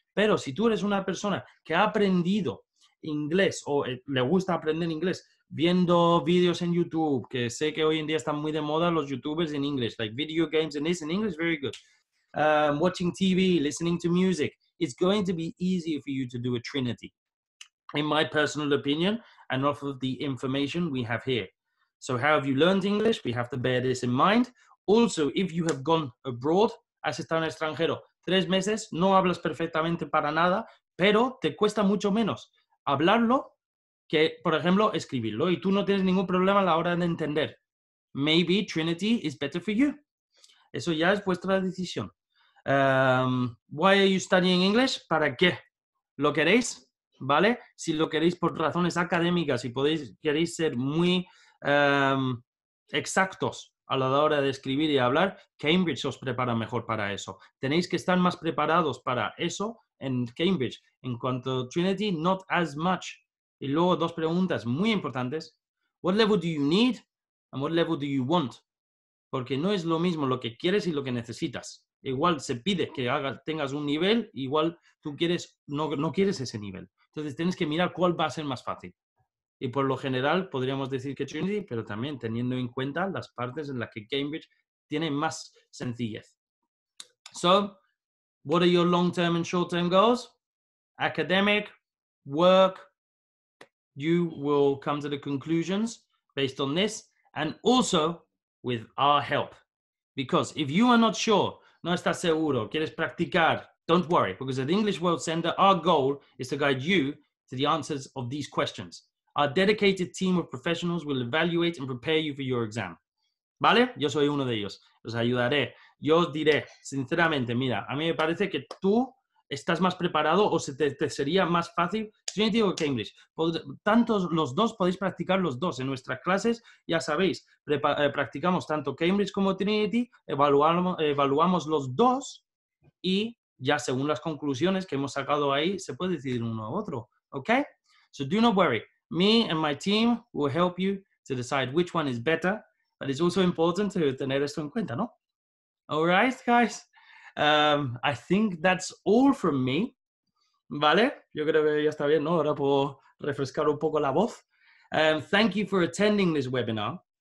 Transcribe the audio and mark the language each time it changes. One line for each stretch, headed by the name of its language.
Spanish: Pero si tú eres una persona que ha aprendido inglés o le gusta aprender inglés viendo vídeos en YouTube, que sé que hoy en día están muy de moda los YouTubers en inglés,
English: like video games and this in English, very good. Watching TV, listening to music, it's going to be easier for you to do a Trinity, in my personal opinion, and off of the information we have here. So how have you learned English? We have to bear this in mind. Also, if you have gone abroad,
Spanish: has estado en extranjero 3 meses, no hablas perfectamente para nada, pero te cuesta mucho menos hablarlo que, por ejemplo, escribirlo, y tú no tienes ningún problema a la hora de entender.
English: Maybe Trinity is better for you.
Spanish: Eso ya es vuestra decisión.
English: Why are you studying English?
Spanish: ¿Para qué? ¿Lo queréis?
English: ¿Vale?
Spanish: Si lo queréis por razones académicas y queréis ser muy exactos a la hora de escribir y hablar, Cambridge os prepara mejor para eso. Tenéis que estar más preparados para eso en Cambridge. En cuanto a Trinity,
English: not as much.
Spanish: Y luego dos preguntas muy importantes.
English: What level do you need and what level do you want?
Spanish: Porque no es lo mismo lo que quieres y lo que necesitas. Igual se pide que tengas un nivel, igual tú quieres, no quieres ese nivel. Entonces tienes que mirar cuál va a ser más fácil. Y por lo general podríamos decir que Trinity, pero también teniendo en cuenta las partes en las que Cambridge tiene más sencillez.
English: So, what are your long-term and short-term goals? Academic, work. You will come to the conclusions based on this and also with our help. Because if you are not sure,
Spanish: no estás seguro, quieres practicar,
English: don't worry, because at English World Center, our goal is to guide you to the answers of these questions. Our dedicated team of professionals will evaluate and prepare you for your exam.
Spanish: ¿Vale? Yo soy uno de ellos. Os ayudaré. Yo os diré, sinceramente, mira, a mí me parece que tú estás más preparado o te sería más fácil Trinity o Cambridge. Tanto los dos, podéis practicar los dos. En nuestras clases, ya sabéis, practicamos tanto Cambridge como Trinity, evaluamos los dos y ya según las conclusiones que hemos sacado ahí, se puede decidir uno u otro.
English: ¿Okay? So do not worry. Me and my team will help you to decide which one is better, but it's also important to
Spanish: tener esto en cuenta, ¿no?
English: All right, guys. I think that's all from me. ¿Vale?
Spanish: Yo creo que ya está bien, ¿no? Ahora puedo refrescar un poco la voz.
English: Thank you for attending this webinar.